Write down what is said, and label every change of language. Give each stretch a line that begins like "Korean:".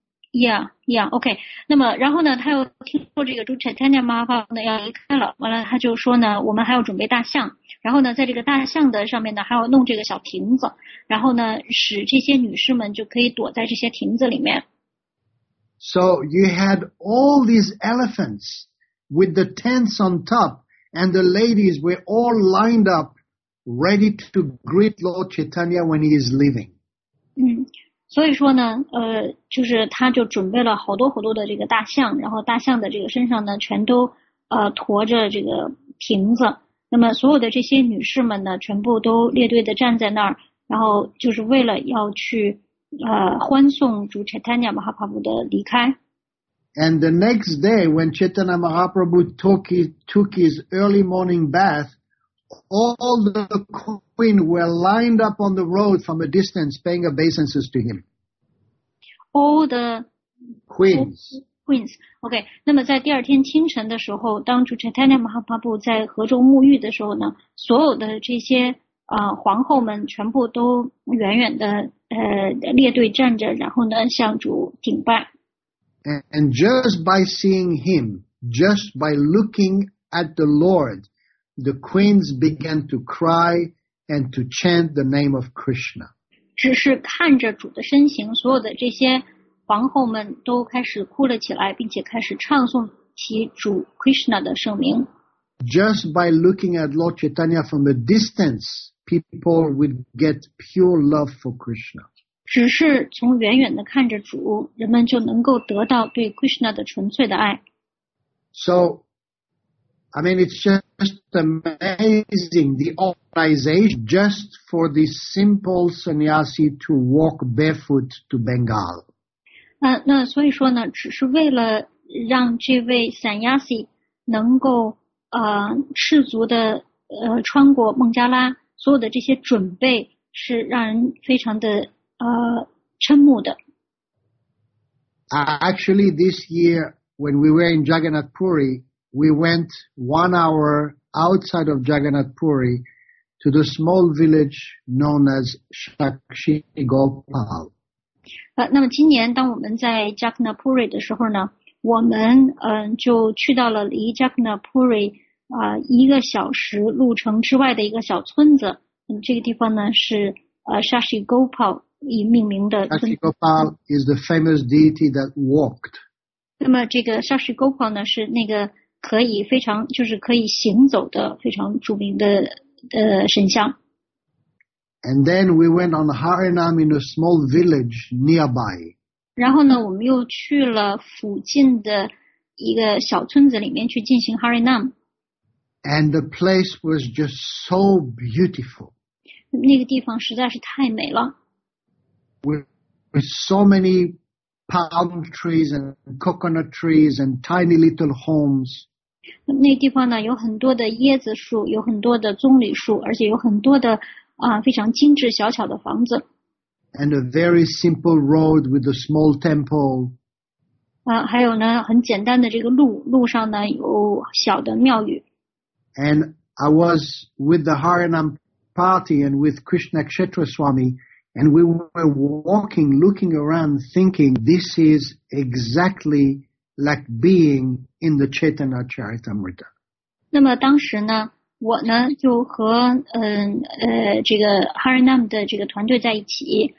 English: Yeah, okay.
Chinese: 那么然后呢，他又听说这个主 Chaitanya Mahaprabhu 呢要离开了，完了他就说呢，我们还要准备大象，然后呢，在这个大象的上面呢，还要弄这个小亭子，然后呢，使这些女士们就可以躲在这些亭子里面。
English: So you had all these elephants with the tents on top, and the ladies were all lined up ready to greet Lord Chaitanya when he is leaving.
Chinese: 所以说呢，就是他就准备了好多好多的这个大象，然后大象的这个身上呢，全都驮着这个亭子。那么所有的这些女士们呢，全部都列队的站在那儿，然后就是为了要去欢送主 Chaitanya Mahaprabhu 的离开。
English: And the next day, when Chaitanya Mahaprabhu took his early morning bath, all the queens were lined up on the road from a distance, paying obeisances to him. All the queens. Queens. Okay.
Chinese: 那么在第二天清晨的时候，当主 Chaitanya Mahaprabhu 在河中沐浴的时候呢，所有的这些皇后们全部都远远的列队站着，然后呢向主顶拜。
English: And just by seeing him, just by looking at the Lord, the queens began to cry and to chant the name of Krishna.
Chinese: 只是看着主的身形，所有的这些皇后们都开始哭了起来，并且开始唱诵起主 Krishna 的圣名。
English: Just by looking at Lord Chaitanya from a distance, people would get pure love for Krishna.
Chinese: 只是从远远的看着主，人们就能够得到对 Krishna 的纯粹的爱。
English: So, I mean, it's just amazing the organization just for the simple sannyasi to walk barefoot to Bengal.
Chinese: 那所以说呢，只是为了让这位 sannyasi 能够赤足的穿过孟加拉，所有的这些准备是让人非常的瞠目的。
English: Actually, this year when we were in Jagannath Puri, we went 1 hour outside of Jagannath Puri to the small village known as Sakshi Gopal.
Chinese: 那么今年当我们在 Jagannath Puri 的时候呢，我们就去到了离 Jagannath Puri一个小时路程之外的一个小村子，这个地方呢是Shashi Gopal 以命名的。
English: Shashi Gopal is the famous deity that walked.
Chinese: 那么这个 Shashi Gopal 呢是那个可以非常就是可以行走的非常著名的神像。
English: And then we went on Harinam in a small village nearby.
Chinese: 然后呢我们又去了附近的一个小村子里面去进行 Harinam。
English: And the place was just so beautiful.
Chinese: 那个地方实在是太美了。
English: With so many palm trees and coconut trees and tiny little homes.
Chinese: 那个地方呢，有很多的椰子树，有很多的棕榈树，而且有很多的非常精致小巧的房子。
English: And a very simple road with a small temple.
Chinese: 还有呢，很简单的这个路，路上呢有小的庙宇。
English: And I was with the Harinam party and with Krishna Kshetra Swami, and we were walking, looking around, thinking this is exactly like being in the Chaitanya Charitamrita.
Chinese: 那么当时呢，我呢就和这个 Harinam 的这个团队在一起。